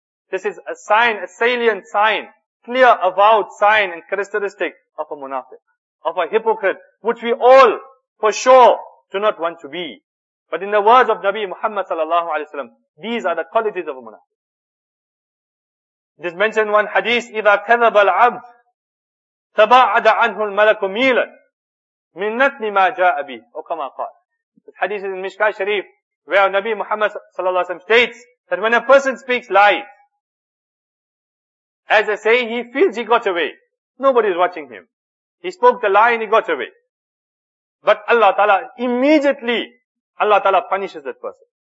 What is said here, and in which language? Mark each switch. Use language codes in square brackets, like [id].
[en] This is a sign, a salient sign, clear avowed sign and characteristic of a munafiq, of a hypocrite, which we all for sure do not want to be. But in the words of Nabi Muhammad sallallahu alaihi wasallam, these are the qualities of a munafiq. It is mentioned one hadith, [ar] إِذَا كَذَبَ الْعَبْدِ تَبَعَدَ عَنْهُ الْمَلَكُ مِيلًا مِنْ نَتْنِ مَا جَاءَ بِهِ وَكَمَا قَالَ. [en] This hadith is in Mishkat Sharif, where Nabi Muhammad sallallahu alaihi wasallam states that when a person speaks lies, as I say, he feels he got away. Nobody is watching him. He spoke the lie and he got away. But Allah Ta'ala, immediately, Allah Ta'ala punishes that person.